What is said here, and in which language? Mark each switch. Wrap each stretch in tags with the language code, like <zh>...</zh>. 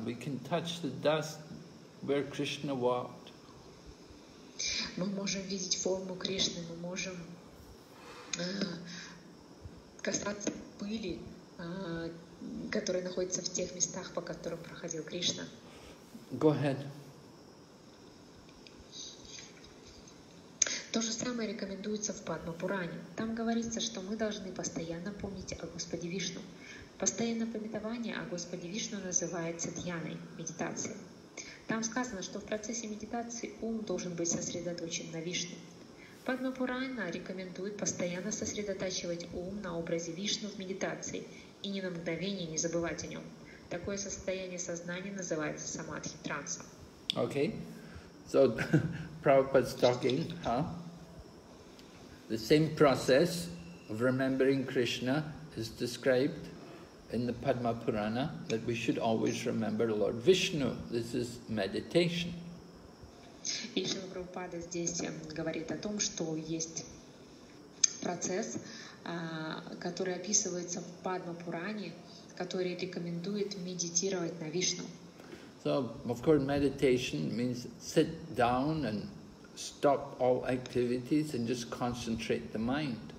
<en>We can touch the dust where Krishna walked.</en> <ru>Мы можем видеть форму Кришны, мы можем касаться пыли, которая находится в тех местах, по которым проходил Кришна.</ru> <en>Go ahead.</en> <ru>То же самое рекомендуется в Падма-Пуране. Там говорится, что мы должны постоянно помнить о Господе Вишну. Постоянное памятование о Господе Вишну называется дьяной, медитацией. Там сказано, что в процессе медитации ум должен быть сосредоточен на Вишну. Падма-Пурана рекомендует постоянно сосредотачивать ум на образе Вишну в медитации и ни на мгновение не забывать о нем. Такое состояние сознания называется самадхи-транса.</ru> <en>Okay. So, Prabhupada's talking, huh? The same process of remembering Krishna is described in the Padma Purana, that we should always remember Lord Vishnu. This is meditation.</en> <ru>И Шрила Прабхупада здесь говорит о том, что есть процесс, который описывается в Падма Пуране, который рекомендует медитировать на Вишну.</ru> <en>So, of course, meditation means sit down and stop all activities and just concentrate the mind.</en>